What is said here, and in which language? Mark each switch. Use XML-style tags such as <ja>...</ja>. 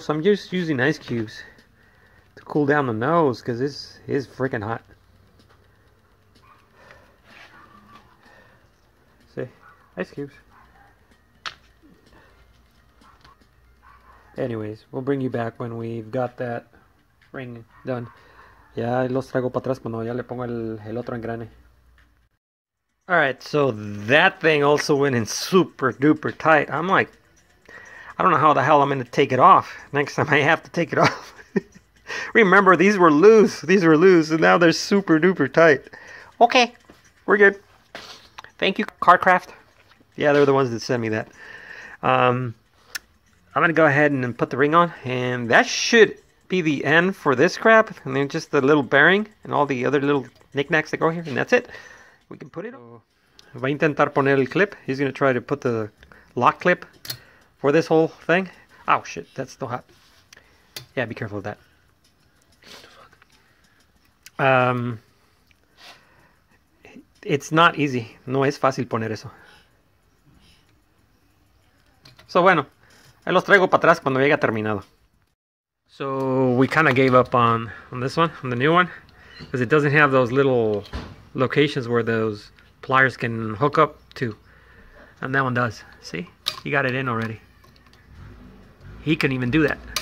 <en>So I'm just using ice cubes to cool down the nose because it's freaking hot. Ice cubes. Anyways, we'll bring you back when we've got that ring done.</en> <es>Ya los traigo para atrás cuando ya le pongo el otro engrane.</es> <en>Alright, so that thing also went in super duper tight. I'm like, I don't know how the hell I'm going to take it off. Next time I have to take it off. Remember, these were loose, and now they're super duper tight. Okay, we're good. Thank you, CarCraft. Yeah, they're the ones that sent me that. I'm going to go ahead and put the ring on. And that should be the end for this crap. And then just the little bearing and all the other little knickknacks that go here. And that's it. We can put it on.</en> <es>Va a intentar poner el clip.</es> <en>He's going to try to put the lock clip for this whole thing. Oh, shit. That's still hot. Yeah, be careful of that. It's not easy.</en> <es>No es fácil poner eso. So bueno, los traigo para atrás cuando llegue terminado.</es> <en>So we kind of gave up on this one, on the new one, because it doesn't have those little locations where those pliers can hook up to. And that one does. See? He got it in already. He couldn't even do that.</en>